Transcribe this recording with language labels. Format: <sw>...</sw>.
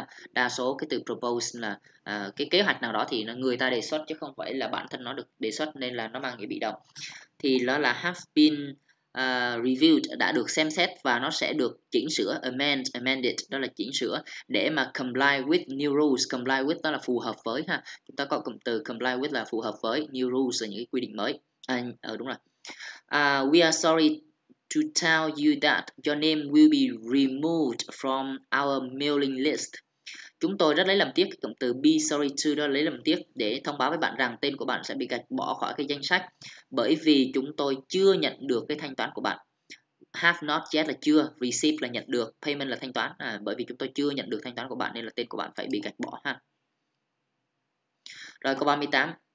<vi>Đa số cái từ proposed là cái kế hoạch nào đó thì người ta đề xuất chứ không phải là bản thân nó được đề xuất, nên là nó mang nghĩa bị động. Thì nó là</vi> <en>have been</en> <vi>reviewed, đã được xem xét và nó sẽ được chỉnh sửa, amended, đó là chỉnh sửa để mà</vi> <en>comply with new rules. Comply with</en> <vi>đó là phù hợp với ha. Chúng ta có cụm từ comply with là phù hợp với,</vi> <en>new rules</en> <vi>là những cái quy định mới.</vi> <en>We are sorry to tell you that your name will be removed from our mailing list.</en> <vi>Chúng tôi rất lấy làm tiếc, cụm từ</vi> <en>be sorry to</en> <vi>đó lấy làm tiếc để thông báo với bạn rằng tên của bạn sẽ bị gạch bỏ khỏi cái danh sách bởi vì chúng tôi chưa nhận được cái thanh toán của bạn. Have not yet là chưa, receive là nhận được, payment là thanh toán. Bởi vì chúng tôi chưa nhận được thanh toán của bạn nên là tên của bạn phải bị gạch bỏ ha. Rồi câu 38.</vi>